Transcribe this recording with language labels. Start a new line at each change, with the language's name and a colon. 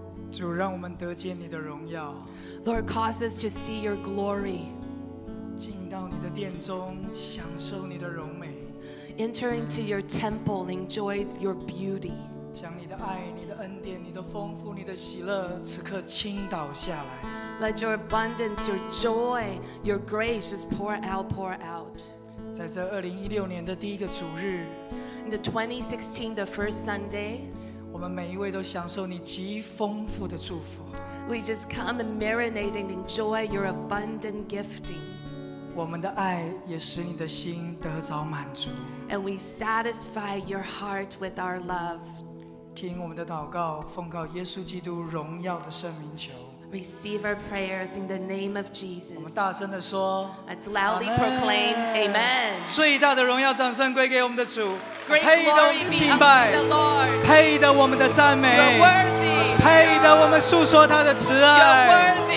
Chinese: 主，让我们得见你的荣耀。
English: Lord, cause us to see your glory.
Chinese: 进到你的殿中，享受你的荣美。
English: Enter into your temple and enjoy your beauty.
Chinese: 将你的爱、你的恩典、你的丰富、你的喜乐，此刻倾倒下来。
English: Let your abundance, your joy, your grace just pour out, pour out.
Chinese: 在这2016年的第一个主日
English: ，In the 2016, the first Sunday.
Chinese: 我们每一位都享受你极丰富的祝福。
English: We just come and marinate and enjoy your abundant giftings.
Chinese: 我们的爱也使你的心得着满足。
English: And we satisfy your heart with our love.
Chinese: 听我们的祷告，奉告耶稣基督荣耀的圣名求。
English: Receive our prayers in the name of Jesus.
Chinese: 我们大声地说
English: Let's loudly proclaim, Amen.
Chinese: 最大的荣耀掌声归给我们的主。配得我们敬拜，配得我们的赞美，配得我们诉说他的慈爱。